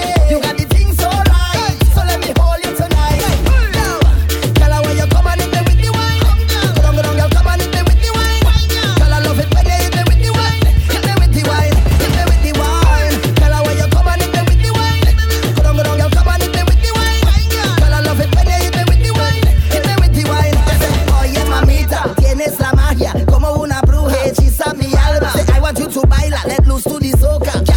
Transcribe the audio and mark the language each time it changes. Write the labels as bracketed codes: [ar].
[en] You got the things so right, so let me hold you tonight. Girl, I want you come and hit me with the wine. Come down, girl, come and hit me with the wine. Girl, I love it when you hit me with the wine. Hit me with the wine, hit me with the wine. Girl, I want you come and hit me with the wine. Come down, girl, come and hit me with the wine. Girl, I love it when you hit me with the wine. Hit me with the wine. [es] Oye, mamita, tienes la magia como una bruja, hechiza mi alma. [en] I want you to baila, let loose to the soca.